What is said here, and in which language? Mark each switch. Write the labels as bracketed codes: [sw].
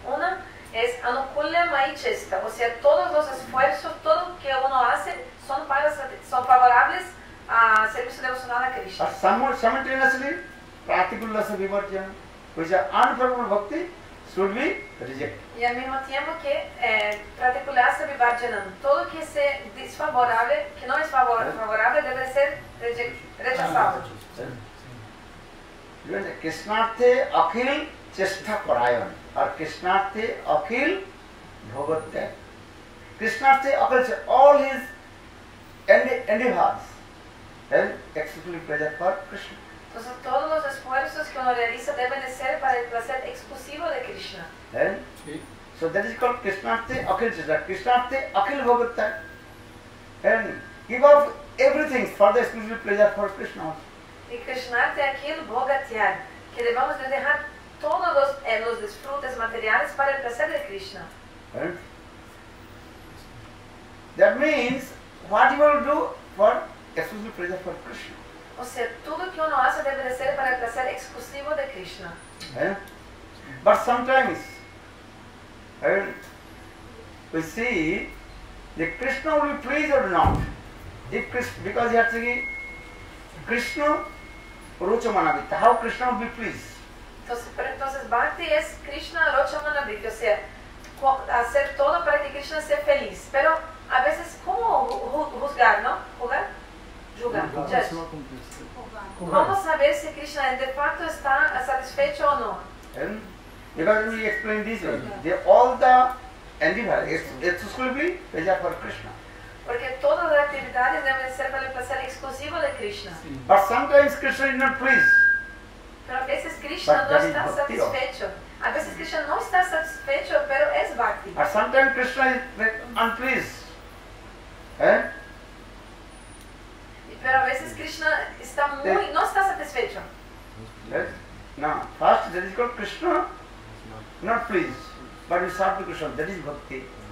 [es] Una es Anukullamai Chesta, o sea, todos los esfuerzos, todo que uno hace, son, para, son favorables a servicio devocional a Krishna. [en] Simultaneously, Pratikullasa Vivarjana, which is unfavorable bhakti, should be rejected. [es] Y al mismo tiempo que Pratikullasa Vivarjana, todo que se desfavorable, que no es favorable, debe ser rechazado. [sa] Krishnarthe Akhil Chesta Parayan, or Krishnarthe Akhil Bhagavate. [en] Krishnarthe Akhil Chesta, all his endeavors, then exclusively pleasure for Krishna. [es] Entonces todos los esfuerzos que uno realiza deben de ser para el placer exclusivo de Krishna. [en] Sí. So that is called Krishnarthe Akhil Chesta. Krishnarthe Akhil Bhagavate. And give up everything for the exclusive pleasure for Krishna. [es] Y Krishnarthe Akhil Bhagavate, que debemos de dejar todos los disfrutes materiales para el placer de Krishna. [en] That means what you will do for exclusive pleasure for Krishna. [es] O sea, todo que uno hace debe ser para el placer exclusivo de Krishna. [en] But sometimes, we see, the Krishna will be pleased or not. If Krishna, because he has to give Krishna Rocha Manavita, how Krishna will be pleased? [es] Entonces bhakti es Krishna Rocha Manavita, o sea, hacer todo para que Krishna sea feliz. Pero a veces, ¿cómo juzgar, no? ¿Jugar? Juga, ¿cómo saber si Krishna de facto está satisfecho o no? [en] Because we explain this way, all the endeavors, it's exclusively pleasure for Krishna. [es] Porque todas las actividades deben ser para el placer exclusivo de Krishna. [en] But sometimes Krishna is not pleased. [es] Pero a veces Krishna no está satisfecho. A veces Krishna no está satisfecho, pero es bhakti. [en] But sometimes Krishna is unpleased. [es] Pero a veces Krishna está muy, no está satisfecho. [en] Yes. Now, first, that is called Krishna, not pleased. But we serve to Krishna, that is bhakti.